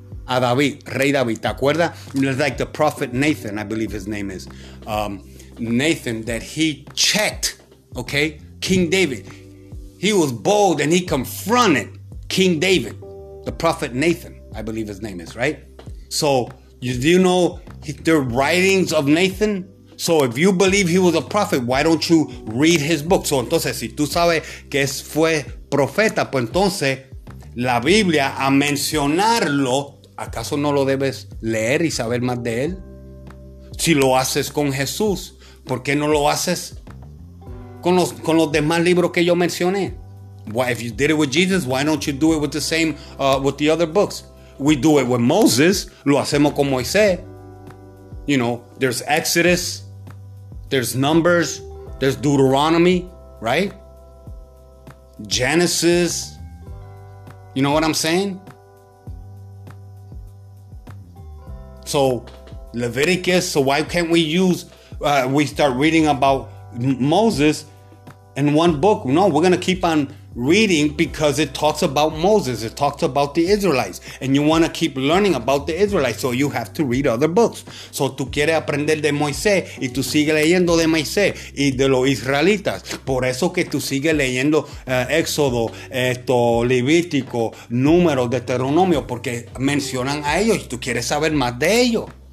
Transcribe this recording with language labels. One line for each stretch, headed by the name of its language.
Spanish: A David, rey David, ¿te acuerdas?
English: Like the prophet Nathan, I believe his name is. Nathan, that he checked, okay, King David. He was bold and he confronted King David, the prophet Nathan, I believe his name is, right? So, do you know the writings of Nathan? So, if you believe he was a prophet, why don't you read his book?
Spanish: So, entonces, si tú sabes que fue profeta, pues entonces, la Biblia, a mencionarlo, ¿acaso no lo debes leer y saber más de él? Si lo haces con Jesús, ¿por qué no lo haces con los demás libros que yo mencioné?
English: Why, if you did it with Jesus, why don't you do it with the same, with the other books? We do it with Moses.
Spanish: Lo hacemos con Moisés.
English: You know, there's Exodus. There's Numbers. There's Deuteronomy, right? Genesis. You know what I'm saying? So, Leviticus. So why can't we use, we start reading about Moses in one book? No, we're going to keep on reading because it talks about Moses. It talks about the Israelites. And you want to keep learning about the Israelites, so you have to read other books.
Spanish: So tú quieres aprender de Moisés y tú sigues leyendo de Moisés y de los israelitas. Por eso que tú sigues leyendo Éxodo, Levítico, Números, Deuteronomio, porque mencionan a ellos y tú quieres saber más de ellos.